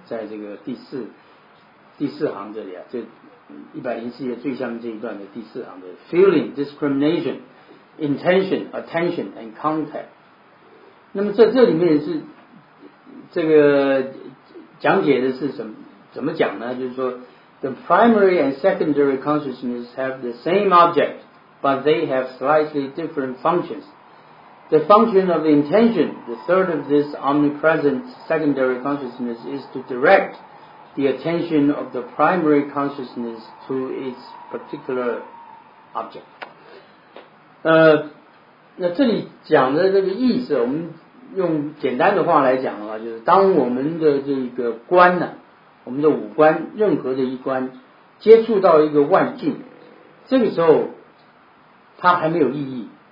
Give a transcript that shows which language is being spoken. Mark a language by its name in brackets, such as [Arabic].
[Chinese] 在这个第四行这里啊，这104页最下面这一段的第四行的 [English] feeling discrimination intention attention and contact。 [Chinese] 那么在这里面是这个讲解的是什么怎么讲呢，就是说 [English] The primary and secondary consciousness have the same object, but they have slightly different functions. The function of the intention, the third of this omnipresent secondary consciousness, is to direct the attention of the primary consciousness to its particular object. [Chinese] 那这里讲的这个意思，我们用简单的话来讲的话，就是当我们的这个观呢，我们的五官，任何的一观接触到一个外境，这个时候它还没有意义。